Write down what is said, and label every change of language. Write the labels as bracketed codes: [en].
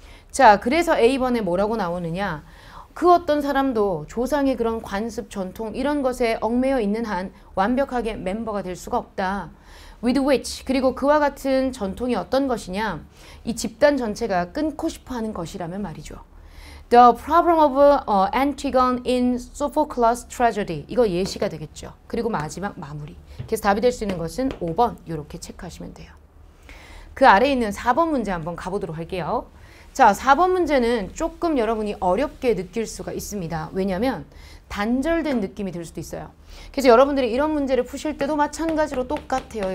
[ko] 자, 그래서 A번에 뭐라고 나오느냐? 그 어떤 사람도 조상의 그런 관습, 전통, 이런 것에 얽매여 있는 한 완벽하게 멤버가 될 수가 없다. [en] With which, [ko] 그리고 그와 같은 전통이 어떤 것이냐? 이 집단 전체가 끊고 싶어 하는 것이라면 말이죠. [en] The problem of Antigone in Sophocles' tragedy. [ko] 이거 예시가 되겠죠. 그리고 마지막 마무리. 그래서 답이 될수 있는 것은 5번. 이렇게 체크하시면 돼요. 그 아래에 있는 4번 문제 한번 가보도록 할게요. 자, 4번 문제는 조금 여러분이 어렵게 느낄 수가 있습니다. 왜냐면 단절된 느낌이 들 수도 있어요. 그래서 여러분들이 이런 문제를 푸실 때도 마찬가지로 똑같아요.